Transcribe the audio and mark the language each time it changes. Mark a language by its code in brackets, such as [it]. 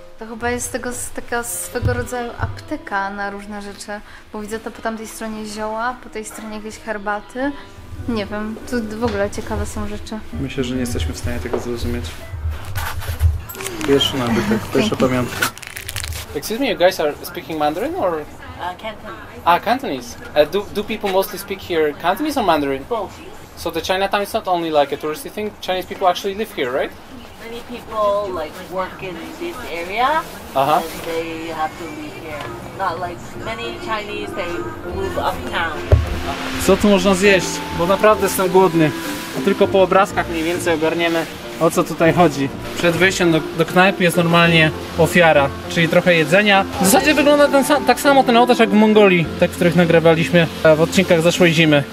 [pl] To chyba jest tego taka swego rodzaju apteka na różne rzeczy, bo widzę to po tamtej stronie zioła, po tej stronie jakieś herbaty. Nie wiem, tu w ogóle ciekawe są rzeczy. Myślę, że nie jesteśmy w stanie tego zrozumieć. Pierwszy nabytek, pierwsza pamiątka. [en] Excuse me, you guys are speaking Mandarin or? Cantonese. Ah, Cantonese. Do people mostly speak here Cantonese or Mandarin? Both. So the Chinatown is not only like a touristy thing, Chinese people actually live here, right? Many people like work in this area, uh-huh, and they have to live here. Not like many Chinese, they move uptown. [pl] Co tu można zjeść? Bo naprawdę jestem głodny. Tylko po obrazkach mniej więcej ogarniemy. O co tutaj chodzi? Przed wyjściem do knajpy jest normalnie ofiara, czyli trochę jedzenia. W zasadzie wygląda tak samo ten ołtarz jak w Mongolii, te, których nagrywaliśmy w odcinkach zeszłej zimy.